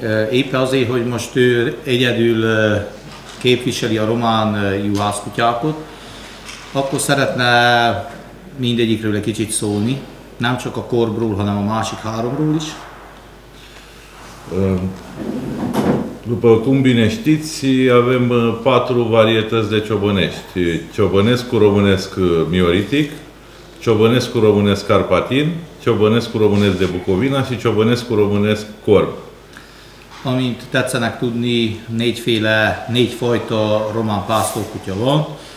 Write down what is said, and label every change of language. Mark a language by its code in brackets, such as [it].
[hu] Épp azért, hogy most ő egyedül képviseli a román juhászkutyákot, akkor szeretne mindegyikről egy kicsit szólni, nem csak a korbról, hanem a másik háromról is. [ro] După cum bine știți, avem patru varietăți de ciobănești. Ciobănescul românesc mioritic, ciobănescul românesc carpatin, ciobănescul românesc de Bucovina și ciobănescul românesc corb. [hu] Amint tetszenek tudni, négyféle, négy fajta román pásztorkutya van.